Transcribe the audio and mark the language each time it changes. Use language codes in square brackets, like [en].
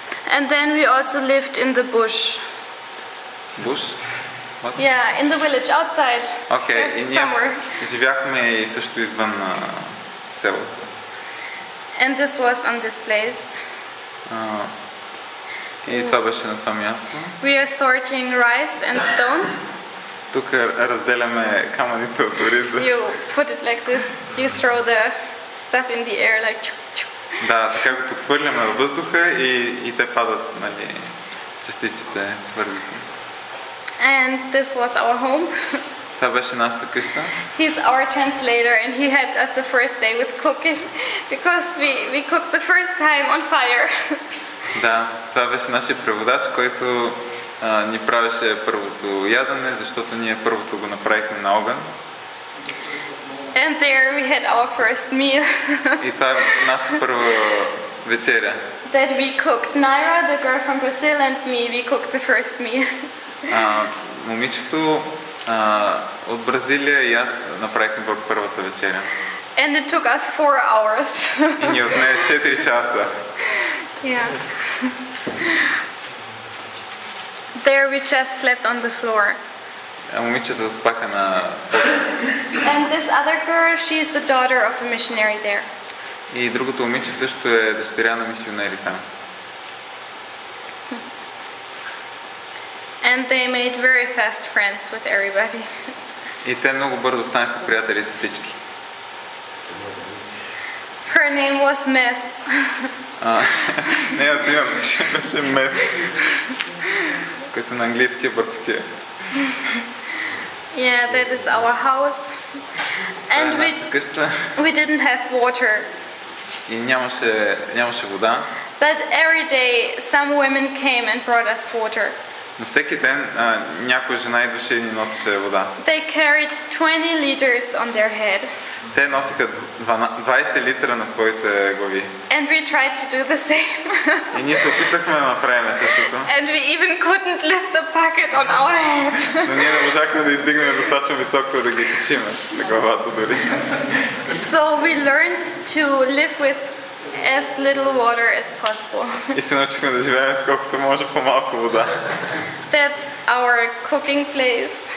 [en] And then we also lived in the bush. Bush? What? Yeah, in the village outside. Okay, somewhere. [bg] Живяхме и също извън селото. [en] And this was on this place. [bg] И това беше на това място. [en] We are sorting rice and stones. [bg] Тук разделяме камъните от риза. [en] You put it like this. You throw the stuff in the air like chu-chu. [bg] Да, така го подхвърляме във въздуха и те падат, нали, частиците твърдите. [en] And this was our home. [bg] Това беше нашата къща. [en] He's our translator and he helped us the first day with cooking because we cooked the first time on fire. [bg] Да, това беше нашия преводач, който ни правеше първото ядене, защото ние първото го направихме на огън. [en] And there we had our first meal. И това е нашата първа вечеря. That we cooked. Naira, the girl from Brazil, and me, we cooked the first meal. [bg] Момичето, От Бразилия и аз направихме първата вечеря. [en] And it took us 4 hours. [bg] И ни отне 4 часа. [en] Yeah. There we just slept on the floor. [bg] А момичета спаха на [en] And this other girl, she is the daughter of a missionary there. [bg] И другото момиче също е дъщеря на мисионери там. [en] And they made very fast friends with everybody. [bg] И те много бързо станаха приятели с всички. [en] Her name was Miss. [bg] Нея тя беше Miss. Като на английския бъркотия. [en] Yeah, that is our house. And we didn't have water. [bg] И нямаше вода. [en] But every day some women came and brought us water. [bg] Но всеки ден някоя жена идваше и ни носеше вода. [en] They carried 20 liters on their head. [bg] Те носиха 20 литра на своите глави. [en] And we tried to do the same. [bg] И ние се опитахме да направим същото. [en] And we even couldn't lift the bucket on our head. [bg] Но ние не можахме да издигнем достатъчно високо да ги качим на главата дори. [en] So we learned to live with as little water as possible. [bg] И се научихме да живеем с колкото може по-малко вода. [en] That's our cooking place.